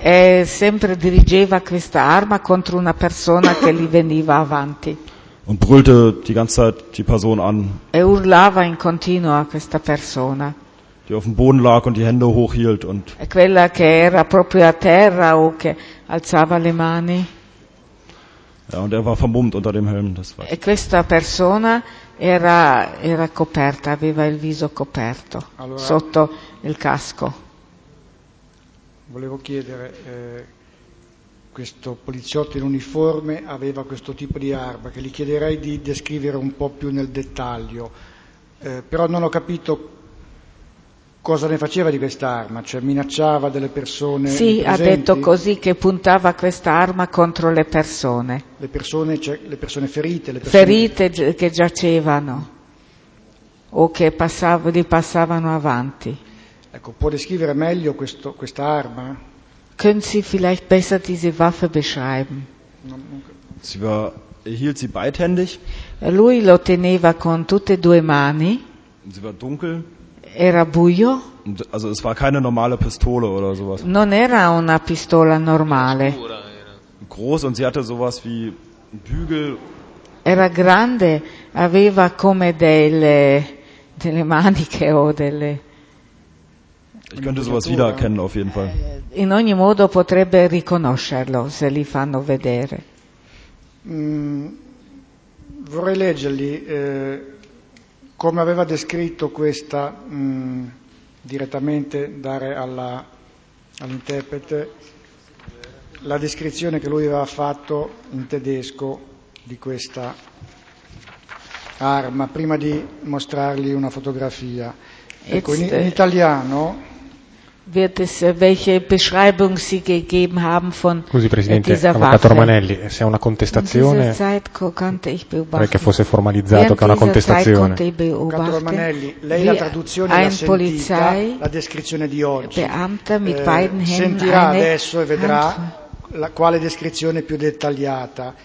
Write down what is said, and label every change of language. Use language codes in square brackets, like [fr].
[it] E sempre dirigeva questa arma contro una persona che gli veniva avanti. [de] Und brüllte die ganze Zeit die Person an. [it] E urlava in continuo a questa persona. [de] Die auf dem Boden lag und die Hände hochhielt und. [it] Quella che era proprio a terra o che alzava le mani. [de] Ja, und er war vermummt unter dem Helm, das war. [it] E questa persona era coperta, aveva il viso coperto, allora, sotto il casco. Volevo chiedere, questo poliziotto in uniforme aveva questo tipo di arma, che gli chiederei di descrivere un po' più nel dettaglio, però non ho capito. Cosa ne faceva di questa arma? Cioè minacciava delle persone? Sì, ha detto così che puntava questa arma contro le persone. Le persone ferite? Ferite che giacevano o che passavano avanti. Ecco, può descrivere meglio questa arma? [de] Können Sie vielleicht besser diese Waffe beschreiben? Hielt sie beidhändig? [it] Lui lo teneva con tutte e due mani. [de] Sie war dunkel. [it] Era buio. [de] Also es war keine normale Pistole oder sowas. [it] Non era una pistola normale. [de] Groß und sie hatte sowas wie Bügel. [it] Era grande, aveva come delle maniche o delle. [de] Ich könnte sowas wiedererkennen auf jeden Fall. [it] In ogni modo potrebbe riconoscerlo se li fanno vedere. Vorrei leggerli. Come aveva descritto questa direttamente dare all'interprete la descrizione che lui aveva fatto in tedesco di questa arma prima di mostrargli una fotografia. Ecco, in italiano [de] wird es welche Beschreibung sie gegeben haben von [it] Scusi, Presidente, [de] dieser Waffe. [it] Avvocato Romanelli, se è una contestazione. Vorrei che fosse formalizzato che è una contestazione. Avvocato Romanelli, lei la traduzione l'ha sentita, la descrizione di oggi. Sentirà adesso e vedrà quale descrizione più dettagliata.